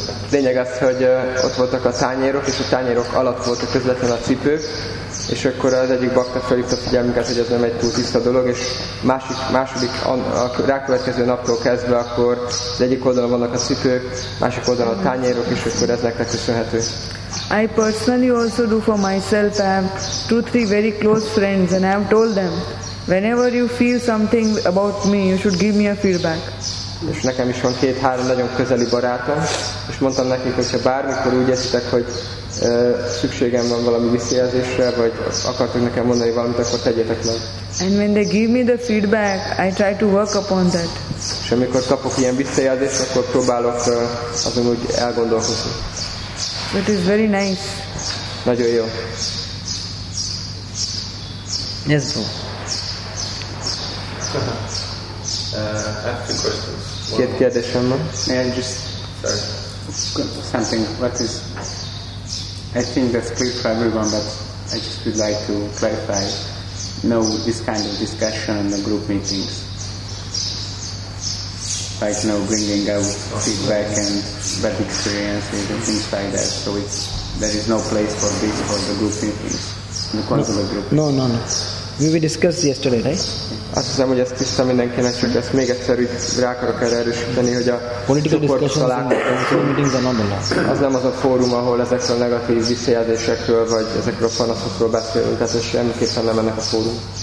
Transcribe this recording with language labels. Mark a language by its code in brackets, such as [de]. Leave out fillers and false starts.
[hu] Lényeg az, hogy ott voltak a tányérok, és a tányérok alatt voltak közvetlenül a cipők, és akkor az egyik bakta felhívta a figyelmünket, hogy ez nem egy túl tiszta dolog, és második, a rákövetkező naptól kezdve akkor az egyik oldalon vannak a cipők, másik oldalon a tányérok, és akkor ez nektek köszönhető. [en] I personally also do for myself, I have 2-3 very close friends, and I have told them, whenever you feel something about me, you should give me a feedback. [hu] És nekem is van 2-3 nagyon közeli barátom, és mondtam nekik, hogy ha bármikor úgy esztek, hogy szükségem van valami visszajelzésre, vagy akartok nekem mondani valamit, akkor tegyétek meg. [en] And when they give me the feedback, I try to work upon that. [hu] És amikor kapok ilyen visszajelzést, akkor próbálok azon úgy elgondolkozni. [en] It is very nice. [hu] Nagyon jó. [en] Yes, bro. I have two questions. One. May I just something? What is? I think that's clear for everyone, but I just would like to clarify. No, this kind of discussion in the group meetings, like you know, bringing out feedback and bad experiences and things like that. So it's there is no place for this for the group meetings, in the consular group. No. We discussed yesterday, right? [hu] Azt hiszem, hogy ezt tiszta mindenkinek, csak ezt még egyszer így rá akarok erre erősíteni, hogy a [en] political discussions are not allowed. [hu] Az nem az a fórum, ahol ezekről negatív visszajelzésekről, vagy ezekről panaszokról beszélünk, tehát ez semmiképpen nem ennek a fórum.